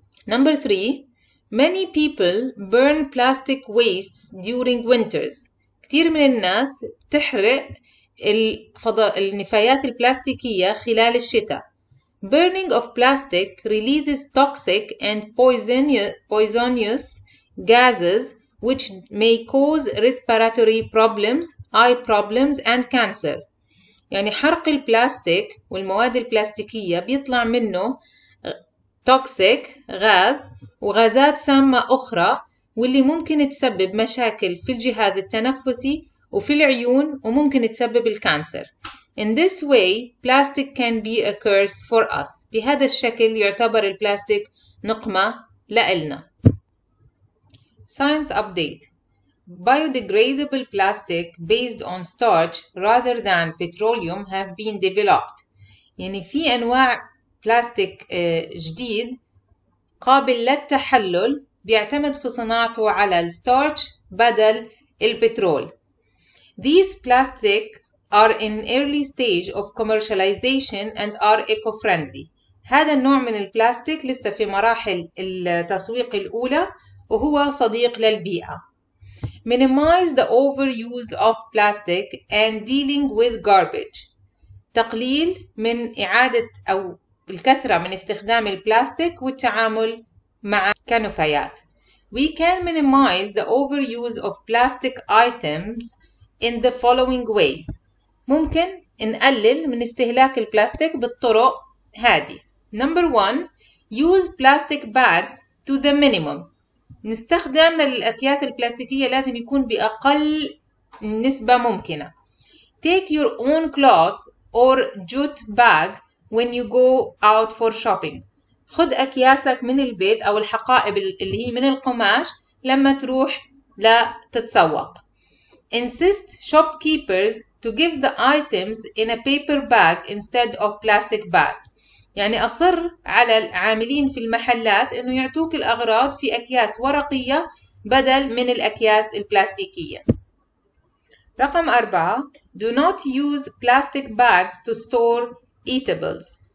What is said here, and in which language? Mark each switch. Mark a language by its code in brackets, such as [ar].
[en] Number 3. Many people burn plastic wastes during winters. [ar] كتير من الناس تحرق النفايات البلاستيكية خلال الشتاء. [en] Burning of plastic releases toxic and poisonous gases which may cause respiratory problems, eye problems and cancer. [ar] يعني حرق البلاستيك والمواد البلاستيكية بيطلع منه toxic غاز وغازات سامة أخرى واللي ممكن تسبب مشاكل في الجهاز التنفسي وفي العيون وممكن تسبب الكانسر. [en] In this way, plastic can be a curse for us. [ar] بهذا الشكل يعتبر البلاستيك نقمة لإلنا. [en] Science update. Biodegradable plastic based on starch rather than petroleum have been developed. [ar] يعني في أنواع بلاستيك جديد قابل للتحلل بيعتمد في صناعته على الستارش بدل البترول. [en] These plastics are in early stage of commercialization and are eco-friendly. [ar] هذا النوع من البلاستيك لسه في مراحل التسويق الأولى وهو صديق للبيئة. [en] Minimize the overuse of plastic and dealing with garbage. [ar] تقليل من إعادة أو الكثرة من استخدام البلاستيك والتعامل مع كنفايات. [en] We can minimize the overuse of plastic items in the following ways. [ar] ممكن نقلل من استهلاك البلاستيك بالطرق هذه. [en] Number 1. Use plastic bags to the minimum. [ar] نستخدم الأكياس البلاستيكية لازم يكون بأقل نسبة ممكنة. [en] Take your own cloth or jute bag when you go out for shopping. [ar] خد أكياسك من البيت أو الحقائب اللي هي من القماش لما تروح لتتسوق. [en] Insist shopkeepers to give the items in a paper bag instead of plastic bag. [ar] يعني أصر على العاملين في المحلات إنه يعطوك الأغراض في أكياس ورقية بدل من الأكياس البلاستيكية. رقم 4. [en] Do not use plastic bags to store eatables.